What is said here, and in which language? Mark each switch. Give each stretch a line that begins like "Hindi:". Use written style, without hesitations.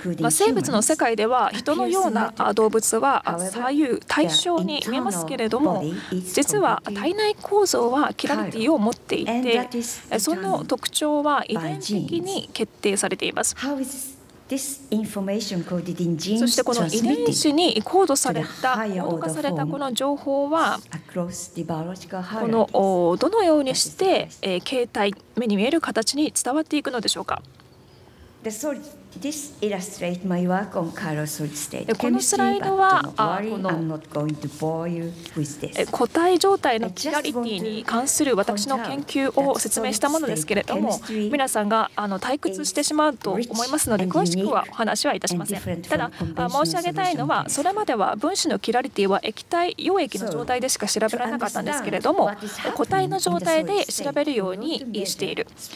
Japanese: 生物の世界では人のような動物は左右対称に見えますけれども、実は体内構造はキラリティを持っていて、その特徴は遺伝的に決定されています。そしてこの遺伝子にコードされたこの情報はこのどのようにして形態、目に見える形に伝わっていくのでしょうか。
English: This illustrates my work on Carlos solid state.
Japanese: このスライドは、固体状態のキラリティに関する私の研究を説明したものですけれども、皆さんが退屈してしまうと思いますので、詳しくはお話はいたしません。ただ、申し上げたいのは、それまでは分子のキラリティは液体、溶液の状態でしか調べられなかったんですけれども、固体の状態で調べるようにしている。